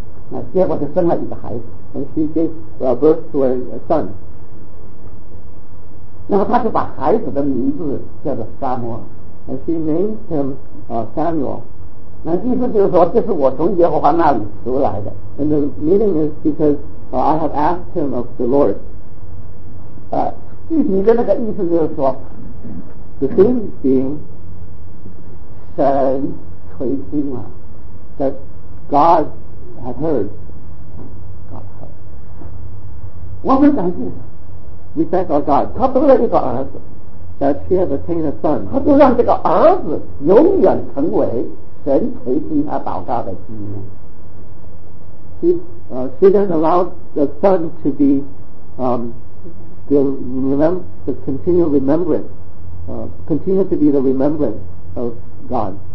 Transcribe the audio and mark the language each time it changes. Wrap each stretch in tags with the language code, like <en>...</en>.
<zh>那结果就生了一个孩子。</zh> <en>And she gave birth to a son.</en> <zh>然后她就把孩子的名字叫做撒摩。</zh> <en>And she named him Samuel.</en> <zh>那意思就是说，这是我从耶和华那里出来的。</zh> <en>And the meaning is because I have asked him of the Lord.</en> <zh>具体的那个意思就是说</zh> <en>，the thing being</en> <zh>神。垂听啊</zh> <en>that God had heard. God heard.</en> <zh>我们感谢</zh> <en>We thank our God.</en> <zh>他得了一个儿子。</zh> <en>that she has attained a son.</en> <zh>他就让这个儿子永远成为神垂听他祷告的基业。</zh> <en>She then allowed the son to be continue to be the remembrance of God.</en>